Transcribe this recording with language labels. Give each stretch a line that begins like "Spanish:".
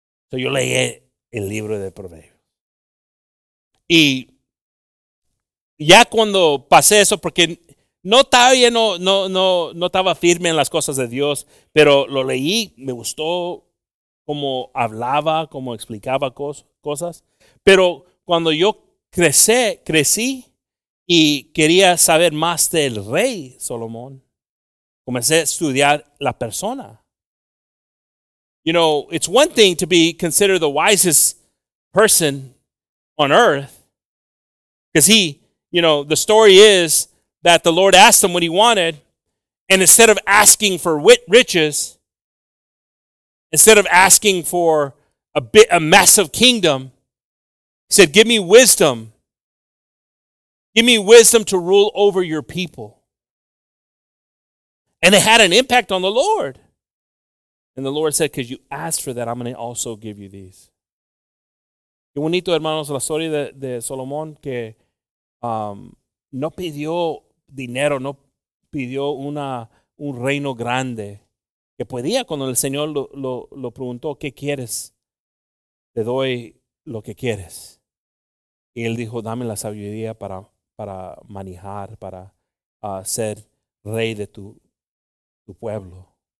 Spanish: So yo leí el libro de Proverbios. Y ya cuando pasé eso, porque no estaba firme en las cosas de Dios, pero lo leí, me gustó cómo hablaba, cómo explicaba cosas. Pero cuando yo crecí y quería saber más del rey Salomón, comencé a estudiar la persona.
English: You know, it's one thing to be considered the wisest person on earth, because he, you know, the story is that the Lord asked him what he wanted, and instead of asking for riches, instead of asking for a massive kingdom, he said, give me wisdom. Give me wisdom to rule over your people. And it had an impact on the Lord. And the Lord said, because you asked for that, I'm going to also give you these.
Spanish: Qué bonito, hermanos, la historia de Salomón, que no pidió dinero, no pidió un reino grande. Que podía, cuando el Señor lo preguntó, ¿qué quieres? Te doy lo que quieres. Y él dijo, dame la sabiduría para manejar, para ser rey de tu pueblo.